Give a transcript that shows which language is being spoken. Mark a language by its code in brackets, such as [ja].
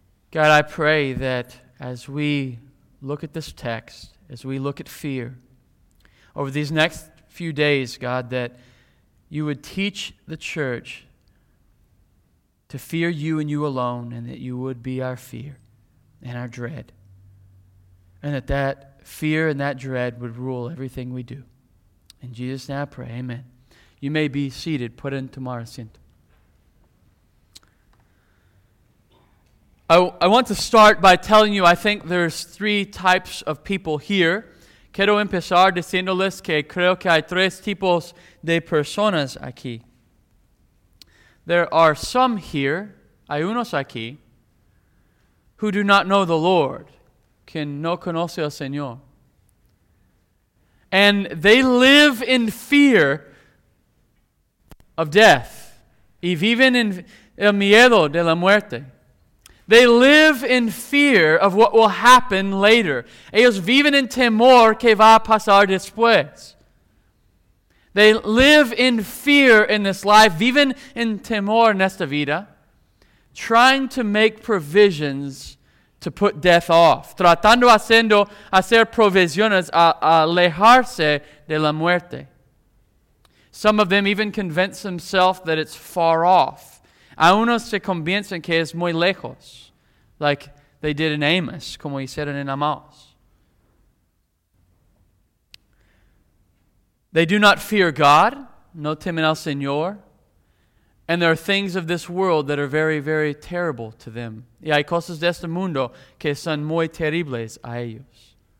[en] God, I pray that as we look at this text, as we look at fear, over these next few days, God, that you would teach the church to fear you and you alone, and that you would be our fear and our dread, and that that fear and that dread would rule everything we do. In Jesus' name I pray, amen. You may be seated, put in tomorrow's sinto. I want to start by telling you, I think there's three types of people here. [es] Quiero empezar diciéndoles que creo que hay tres tipos de personas aquí. [en] There are some here, [es] hay unos aquí, [en] who do not know the Lord, [es] que no conoce al Señor. [en] And they live in fear of death, [es] y viven en el miedo de la muerte. [en] They live in fear of what will happen later. [es] Ellos viven en temor que va a pasar después. [en] They live in fear in this life, [es] viven en temor en esta vida, [en] trying to make provisions to put death off, [es] tratando haciendo hacer provisiones a alejarse de la muerte. [en] Some of them even convince themselves that it's far off. [es] A unos se convencen que es muy lejos, [en] like they did in Amos, [es] como hicieron en Amós. [en] They do not fear God, [es] no temen al Señor, [en] and there are things of this world that are very, very terrible to them. [es] Y hay cosas de este mundo que son muy terribles a ellos.